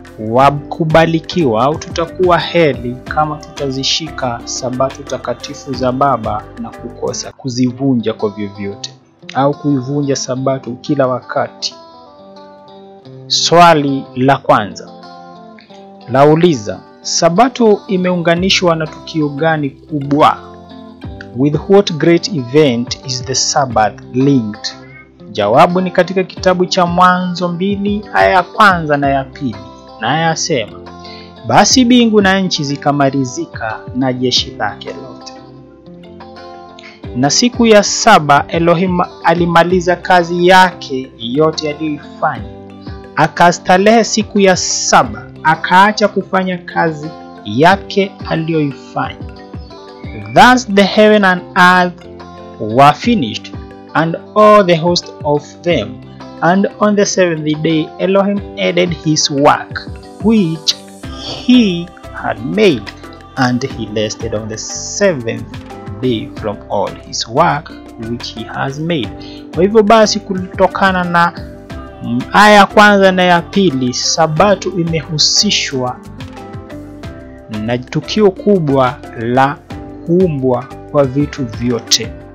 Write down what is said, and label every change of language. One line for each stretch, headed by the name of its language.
Swahili: wakubalikiwa au tutakuwa heli kama tutazishika sabato takatifu za baba na kukosa kuzivunja kwa vyovyote au kuivunja sabato kila wakati. Swali la kwanza. Lauliza, sabato imeunganishwa na tukio gani kubwa?
English: With what great event is the Sabbath linked?
Swahili: Jawabu ni katika kitabu cha Mwanzo 2 aya ya kwanza na ya pili. Na yasema, basi mbingu na nchi zikamalizika na jeshi lake lote. Na siku ya saba Elohim alimaliza kazi yake yote aliyofanya. Akastalehe siku ya saba, akaacha kufanya kazi yake aliyoifanya.
English: Thus the heaven and earth were finished, and all the host of them. And on the seventh day Elohim ended his work, which he had made, and he rested on the seventh day from all his work, which he has made.
Swahili: Kwa hivyo basi kutokana na aya ya kwanza na ya pili, sabato imehusishwa na tukio kubwa la kuumbwa kwa vitu vyote.